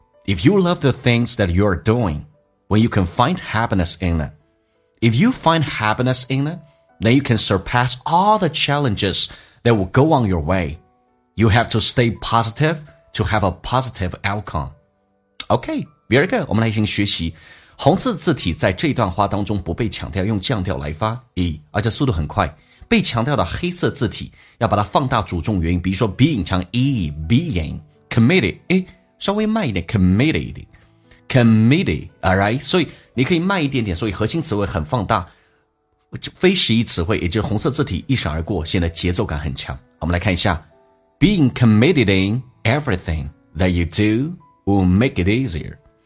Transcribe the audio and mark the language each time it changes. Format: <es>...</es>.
<en>If you love the things that you are doing, when you can find happiness in it. If you find happiness in it, then you can surpass all the challenges that will go on your way. You have to stay positive to have a positive outcome. Okay, very good.</en> <zh>我们来进行学习。红色字体在这段话当中不被强调，用降调来发音，而且速度很快。被强调的黑色字体要把它放大主重元音，比如说 being 强 e</zh> <en>being committed，</en> <zh>哎，稍微慢一点 committed， committed， all right。所以你可以慢一点点，所以核心词汇很放大，非实义词汇，也就是红色字体一闪而过，显得节奏感很强。我们来看一下。</zh> <en>Being committed in everything that you do will make it easier.</en>